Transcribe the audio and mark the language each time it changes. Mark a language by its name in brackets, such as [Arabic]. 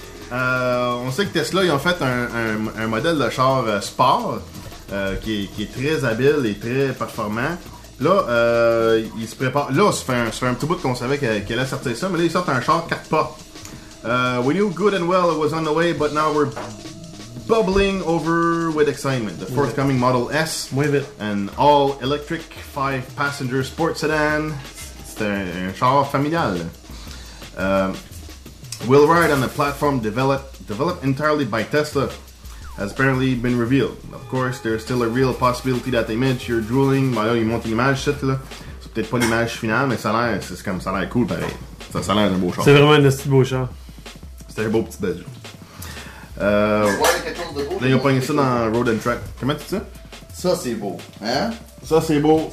[French] on sait que Tesla, ils ont fait un modèle de char sport qui est très habile et très performant. Là, ils se préparent. Là, ça fait un petit bout qu'on savait qu'il allait sortir ça, mais là, ils sortent un char 4 pas. [English] We knew good and well it was on the way, but now we're bubbling over with excitement. The forthcoming Model S, an all-electric 5-passenger sports sedan. [French] C'est un char familial. [English] Will ride on a platform developed entirely by Tesla, has apparently been revealed. Of course, there's still a real possibility that the image you're drooling. [French] Bah là, ils montent une image, cette là. C'est peut-être pas l'image finale, mais ça a l'air cool, pareil. Ça a l'air un beau char. C'est vraiment un petit beau char. C'était un beau petit bijou. Là, ils ont pogné ça dans Road and Track. Comment tu dis ça? Ça, c'est beau. Hein? Ça, c'est beau.